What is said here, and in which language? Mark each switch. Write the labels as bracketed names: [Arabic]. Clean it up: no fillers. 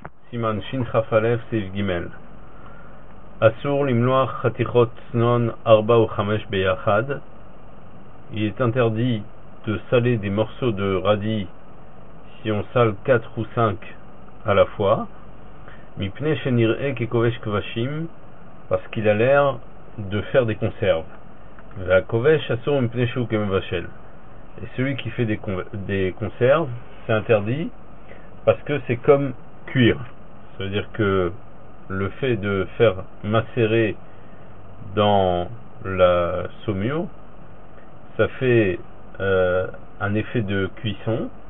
[Hebrew] סימן שכ"א סעיף ג', אסור למנוע חתיכות צנון 4 ו-5 ביחד. [French] Il est interdit de saler des morceaux de radis si on sale 4 ou 5 à la fois. [Hebrew] מפני שנראה ככובש כבשים, [French] parce qu'il a l'air de faire des conserves. [Hebrew] והכובש אסור מפני שהוא כמבשל. [French] Et celui qui fait des conserves, c'est interdit parce que c'est comme cuire. Ça veut dire que le fait de faire macérer dans la saumure, ça fait un effet de cuisson.